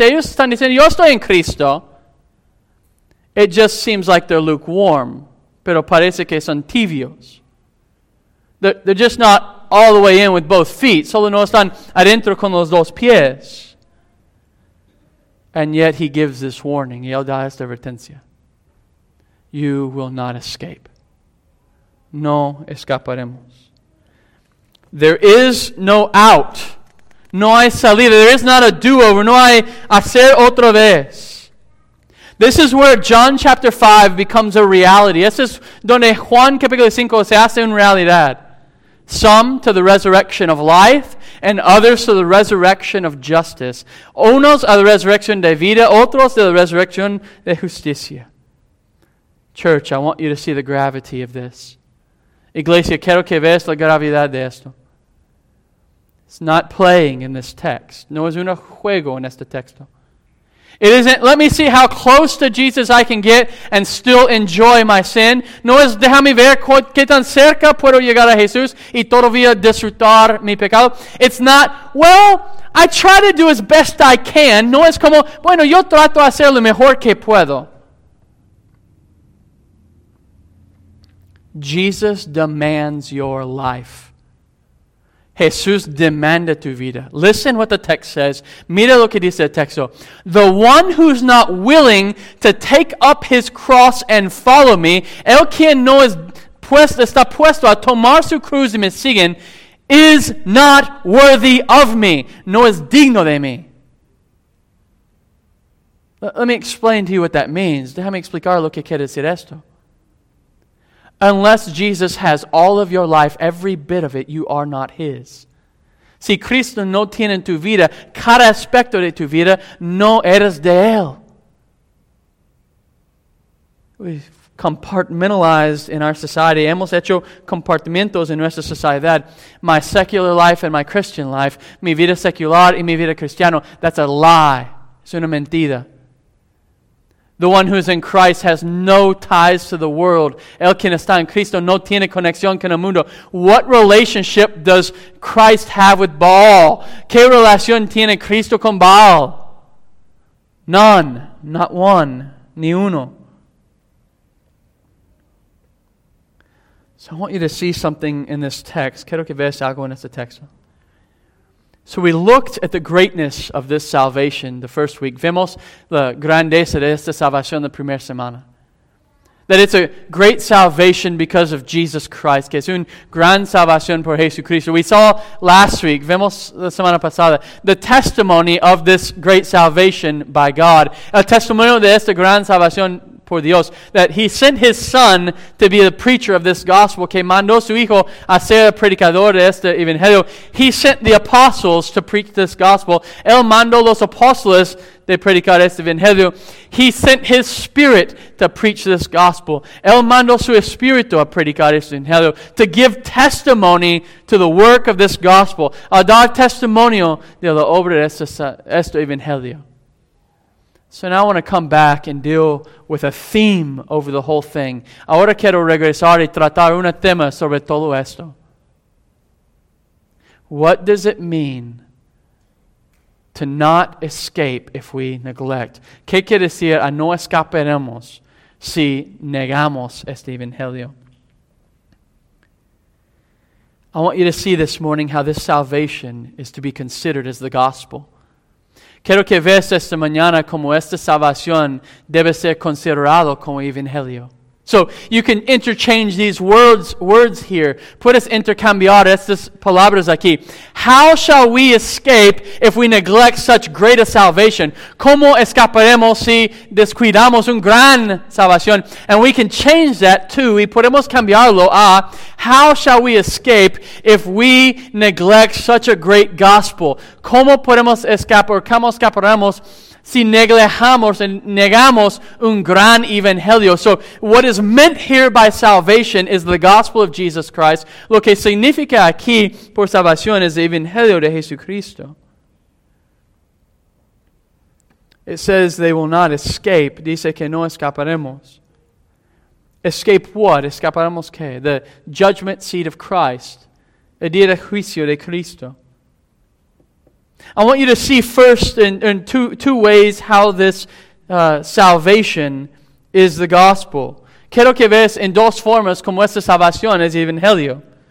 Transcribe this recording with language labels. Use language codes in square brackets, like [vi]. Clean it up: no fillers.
[es] Ellos están diciendo, "Yo estoy en Cristo." [en] It just seems like they're lukewarm. [es] Pero parece que son tibios. [en] They're just not all the way in with both feet. [es] Solo no están adentro con los dos pies. [en] And yet he gives this warning. [es] Y él da esta advertencia. [en] You will not escape. [es] No escaparemos. [en] There is no out. [es] No hay salida. [en] There is not a do-over. [es] No hay hacer otra vez. [en] This is where John chapter 5 becomes a reality. [es] Este es donde Juan capítulo 5 se hace una realidad. [en] Some to the resurrection of life, and others to the resurrection of justice. [es] Unos a la resurrección de vida, otros a la resurrección de justicia. [en] Church, I want you to see the gravity of this. [es] Iglesia, quiero que veas la gravedad de esto. [en] It's not playing in this text. [es] No es un juego en este texto. [en] It isn't, let me see how close to Jesus I can get and still enjoy my sin. [es] No es, déjame ver qué tan cerca puedo llegar a Jesús y todavía disfrutar mi pecado. [en] It's not, well, I try to do as best I can. [es] No es como, bueno, yo trato de hacer lo mejor que puedo. [en] Jesus demands your life. [es] Jesús demanda tu vida. [en] Listen what the text says. [es] Mira lo que dice el texto. [en] The one who's not willing to take up his cross and follow me, [es] el quien no es puesto, está puesto a tomar su cruz y me siguen, [en] is not worthy of me. [es] No es digno de mí. [en] Let me explain to you what that means. [es] Déjame explicar lo que quiere decir esto. [en] Unless Jesus has all of your life, every bit of it, you are not His. [es] Si Cristo no tiene en tu vida, cada aspecto de tu vida, no eres de Él. [en] We've compartmentalized in our society. [es] Hemos hecho compartimentos en nuestra sociedad. [en] My secular life and my Christian life. [es] Mi vida secular y mi vida cristiano. [en] That's a lie. [es] Es una mentira. [en] The one who is in Christ has no ties to the world. [es] El quien está en Cristo no tiene conexión con el mundo. [en] What relationship does Christ have with Baal? [es] ¿Qué relación tiene Cristo con Baal? [en] None. Not one. [es] Ni uno. [en] So I want you to see something in this text. [es] Quiero que veas algo en este texto. [en] So we looked at the greatness of this salvation the first week. [es] Vimos la grandeza de esta salvación la primera semana. [en] That it's a great salvation because of Jesus Christ. [es] Que es una gran salvación por Jesucristo. [en] We saw last week, [es] vimos la semana pasada, [en] the testimony of this great salvation by God. [es] El testimonio de esta gran salvación por Dios. [en] That He sent His Son to be the preacher of this gospel. [es] Que mandó su Hijo a ser el predicador de este evangelio. [en] He sent the apostles to preach this gospel. [es] Él mandó los apóstoles de predicar este evangelio. [en] He sent His Spirit to preach this gospel. [es] Él mandó su Espíritu a predicar este evangelio. [en] To give testimony to the work of this gospel. [es] A dar testimonio de la obra de este evangelio. [en] So now I want to come back and deal with a theme over the whole thing. [es] Ahora quiero regresar y tratar un tema sobre todo esto. [en] What does it mean to not escape if we neglect? [es] ¿Qué quiere decir a no escaparemos si negamos este evangelio? [en] I want you to see this morning how this salvation is to be considered as the gospel. [es] Quiero que veas esta mañana como esta salvación debe ser considerado como evangelio. [en] So, you can interchange these words here. [es] Puedes intercambiar estas palabras aquí. [en] How shall we escape if we neglect such great a salvation? [es] ¿Cómo escaparemos si descuidamos una gran salvación? [en] And we can change that too. [es] Y podemos cambiarlo a [en] how shall we escape if we neglect such a great gospel? [es] ¿Cómo podemos escapar? ¿Cómo escaparemos si neglejamos y negamos un gran evangelio? [en] So what is meant here by salvation is the gospel of Jesus Christ. [es] Lo que significa aquí por salvación es el evangelio de Jesucristo. [en] It says they will not escape. [es] Dice que no escaparemos. [en] Escape what? [es] Escaparemos qué? [en] The judgment seat of Christ. [es] El día de juicio de Cristo. [en] I want you to see first in two ways how this salvation is the gospel. [es] Quiero que veas en dos formas como esta salvación es evangelio.